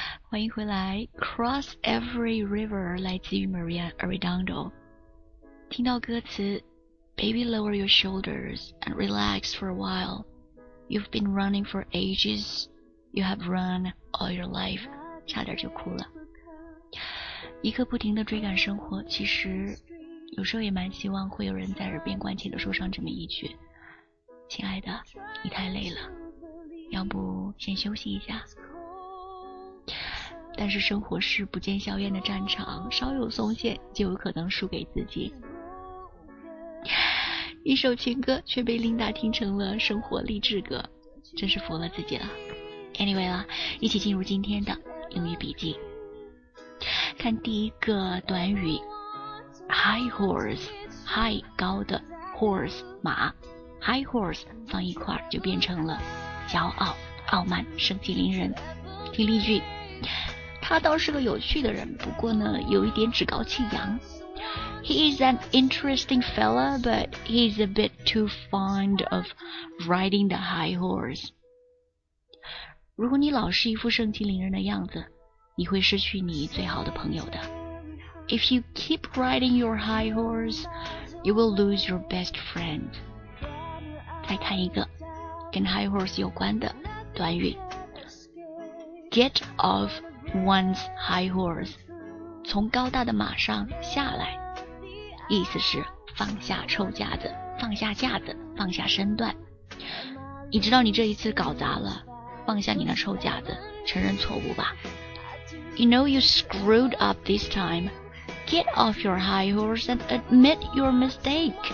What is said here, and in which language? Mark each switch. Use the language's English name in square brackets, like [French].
[Chinese] 欢迎回来 ，Cross Every River 来自于 Maria Arredondo。听到歌词 [English] ，Baby lower your shoulders and relax for a while. You've been running for ages. You have run all your life. [Chinese] 差点就哭了。一刻不停地追赶生活，其实有时候也蛮希望会有人在耳边关切地说上这么一句： 亲爱的，你太累了，要不先休息一下。但是生活是不见硝烟的战场，稍有松懈就有可能输给自己。一首情歌却被琳达听成了生活励志歌，真是服了自己了。 Anyway 了，一起进入今天的英语笔记。看第一个短语 High horse， High 高的， horse 马， High horse 放一块就变成了骄傲、傲慢、盛气凌人。听例句，他倒是个有趣的人，不过呢有一点趾高气扬。 [English] He is an interesting fella, but he's a bit too fond of riding the high horse. [Chinese] 如果你老是一副盛气凌人的样子，你会失去你最好的朋友的。 [English] If you keep riding your high horse, you will lose your best friend. [Chinese] 再看一个跟 high horse 有关的短语。 [English] Get off one's high horse. [Chinese] 从高大的马上下来。意思是放下臭架子，放下架子，放下身段。你知道你这一次搞砸了，放下你那臭架子，承认错误吧。 [English] You know you screwed up this time. Get off your high horse and admit your mistake.